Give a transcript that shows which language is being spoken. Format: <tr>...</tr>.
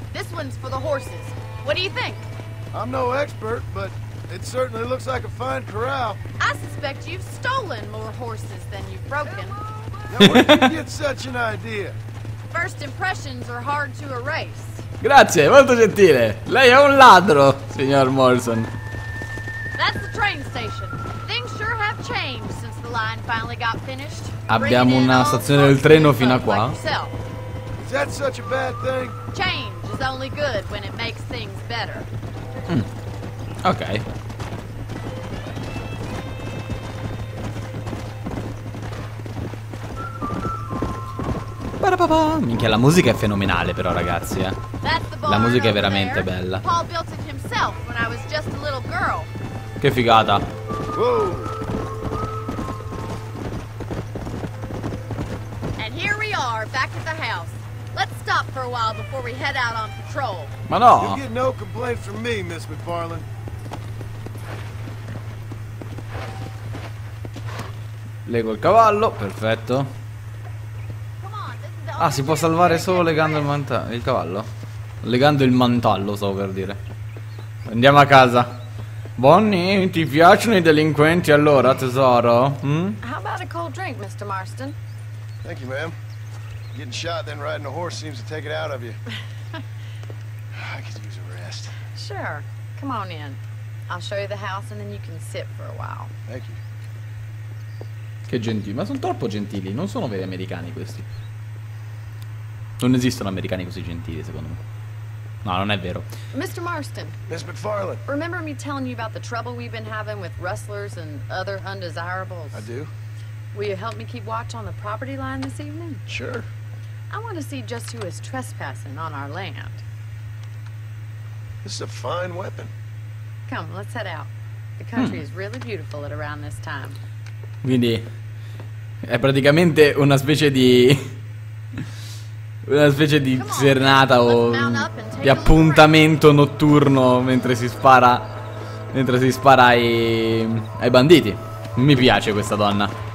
<en>This one's for the horses. What do you think? I'm no expert, but it certainly looks like a fine corral. I suspect you've stolen more horses than you've broken. Now where did you get such an idea? First impressions are hard to erase.</en> <it>Grazie, molto gentile. Lei è un ladro, signor Morrison.</it> <en>That's the train station. Things sure have changed since the line finally got finished.</en> <it>Abbiamo una stazione del treno fino a qua.</it> <en>Is that such a bad thing? Change is only good when it makes things better. Ok. Ba-da-ba-ba.</en> <it>Minchia, la musica è fenomenale però, ragazzi, eh. La musica è veramente bella.</it> <en>Paul built it himself when I was just a little girl.</en> <it>Che figata.</it> <en>And here we are, back at the house. Let's stop for a while before we head out on patrol.</en> <it>Ma no.</it> <en>You get no complaint from me, Miss McFarlane.</en> <it>Leggo il cavallo, perfetto. Ah, si può salvare solo legando il mantello. Il cavallo? Legando il mantello, stavo per dire. Andiamo a casa. Bonnie, ti piacciono i delinquenti allora, tesoro?</it> <en>How about a cold drink, Mr. Marston? Thank you, ma'am. Getting shot then riding a horse seems to take it out of you. I could use a rest. Sure. Come on in. I'll show you the house and then you can sit for a while. Thank you.</en> <it>Che gentili, ma sono troppo gentili, non sono veri americani questi. Non esistono americani così gentili, secondo me. No, non è vero.</it> <en>Mr. Marston. Miss McFarlane. Remember me telling you about the trouble we've been having with rustlers and other undesirables? I do. Will you help me keep watch on the property line this evening? Sure. I want to see just who is trespassing on our land. This is a fine weapon. Come, let's head out. The country is really beautiful at around this time.</en> <it>Quindi è praticamente una specie di... una specie di serenata o di appuntamento notturno mentre si spara ai banditi. Mi piace questa donna.</it>